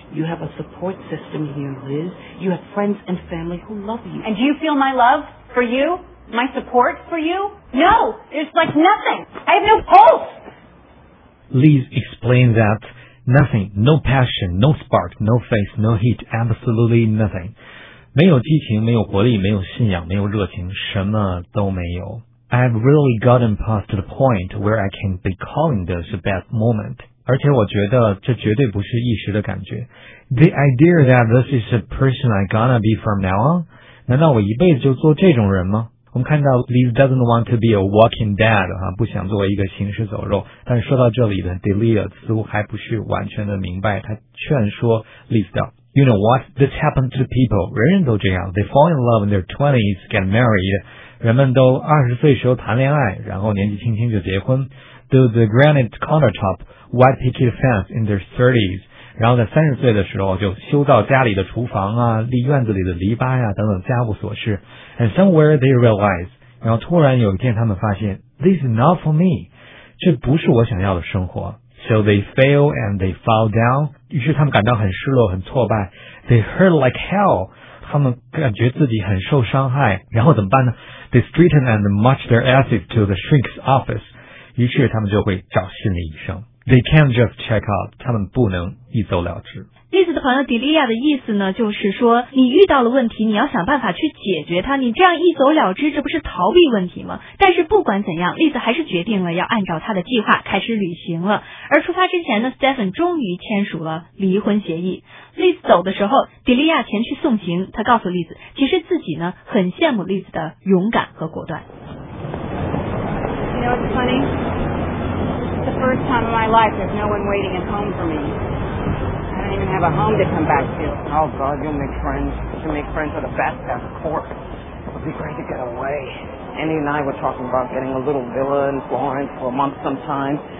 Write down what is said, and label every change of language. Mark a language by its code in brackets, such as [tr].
[en] You have a support system here, Liz. You have friends and family who love you. And do you feel my love for you? My support for you? No, there's like nothing. I have no pulse. Liz explained that nothing, no passion, no spark, no faith, no heat, absolutely nothing. [zh] 没有激情，没有活力，没有信仰，没有热情，什么都没有。 [en] I've really gotten past the point where I can be calling this a bad moment. [zh] 而且我觉得这绝对不是一时的感觉。 [en] The idea that this is a person I gonna be from now on? [zh] 难道我一辈子就做这种人吗？我们看到 [en] Liz doesn't want to be a walking dead,、 [zh] 啊、不想作为一个行尸走肉。但是说到这里的 Delia 似乎还不是完全的明白，他劝说 Liz 的。 [en] You know what? This happens to people. [zh] 人人都这样。 [en] They fall in love in their 20s, get married. [zh] 人们都20岁时候谈恋爱，然后年纪轻轻就结婚。 [en] Do the granite countertop, white picket fence in their 30s. [zh] 然后在30岁的时候就修造家里的厨房啊，立院子里的篱笆啊等等家务琐事。 [en] And somewhere they realize, [zh] 然后突然有一天他们发现 [en] This is not for me. [zh] 这不是我想要的生活。 [en] So they fail and they fall down. [zh] 于是他们感到很失落，很挫败。 [en] They hurt like hell. [zh] 他们感觉自己很受伤害。然后怎么办呢？ [en] They straighten and march their asses to the shrink's office. [zh] 于是他们就会找心理医生。 [en] They can't just check out. [zh] 他们不能一走了之。例子的朋友 Delia 的意思呢，就是说你遇到了问题，你要想办法去解决它，你这样一走了之，这不是逃避问题吗？但是不管怎样，例子还是决定了要按照他的计划开始旅行了。而出发之前呢， Stephen 终于签署了离婚协议。例子走的时候， Delia 前去送行，他告诉例子，其实自己呢很羡慕例子的勇敢和果断。 [en] You know what's funny? It's the first time in my life there's no one waiting at home for meI don't even have a home to come back to. Oh, God, you'll make friends. You'll make friends with a bathtub cork. It'll be great to get away. Andy and I were talking about getting a little villa in Florence for a month sometime.